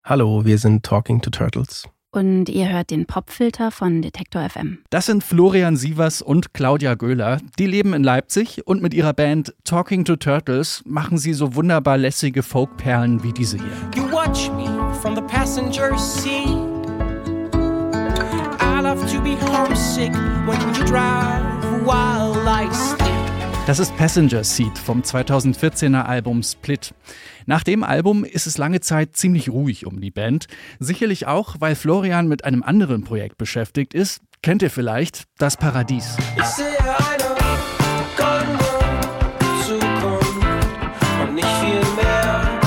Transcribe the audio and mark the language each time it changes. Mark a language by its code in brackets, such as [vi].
[de] Hallo, wir sind Talking to Turtles. Und ihr hört den Popfilter von Detektor FM. Das sind Florian Sievers und Claudia Göhler. Die leben in Leipzig und mit ihrer Band Talking to Turtles machen sie so wunderbar lässige Folkperlen wie diese hier. [en] You watch me from the passenger seat. I love to be homesick when you drive while I sleep. [de] Das ist Passenger Seat vom 2014er Album Split. Nach dem Album ist es lange Zeit ziemlich ruhig um die Band. Sicherlich auch, weil Florian mit einem anderen Projekt beschäftigt ist. Kennt ihr vielleicht Das Paradies? Ich sehe eine goldene Zukunft und nicht viel mehr.